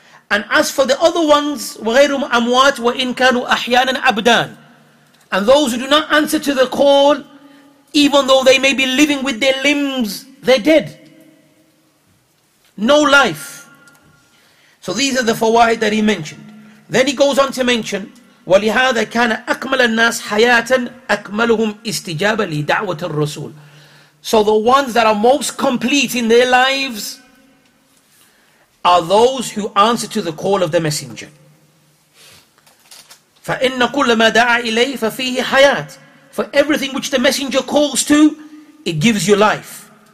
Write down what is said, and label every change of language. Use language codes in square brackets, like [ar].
[en] And as for the other ones, [ar] waghairum amwat wa in kanu ahyanan abdan, [en] and those who do not answer to the call, even though they may be living with their limbs, they're dead. No life. So these are the fawaid that he mentioned. Then he goes on to mention, [ar] وَلِهَذَا كَانَ أَكْمَلَ النَّاسِ حَيَاةً أَكْمَلُهُمْ إِسْتِجَابَ لِدَعْوَةَ الرَّسُولِ. [en] So the ones that are most complete in their lives are those who answer to the call of the Messenger. [ar] فَإِنَّ كُلَّ مَا دَعَى إِلَيْهِ فَفِيهِ حَيَاةً. [en] For everything which the Messenger calls to, it gives you life.